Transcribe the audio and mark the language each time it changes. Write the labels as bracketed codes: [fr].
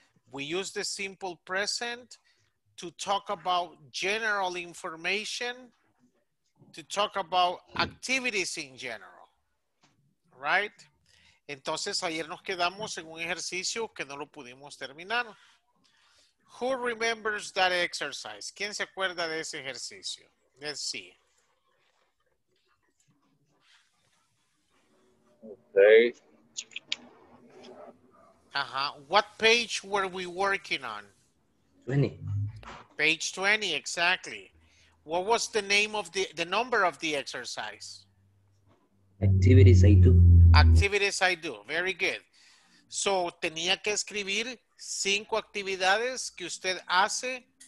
[en] We use the simple present to talk about general information, to talk about activities in general, right? [es] Entonces, ayer nos quedamos en un ejercicio que no lo pudimos terminar. [en] Who remembers that exercise? [es] ¿Quién se acuerda de ese ejercicio? [en] Let's see. Okay. What page were we working on? 20. Page 20, exactly. What was the name of the number of the exercise? Activities I do. Activities I do, very good. [es] So, tenía que escribir 5 actividades que usted hace.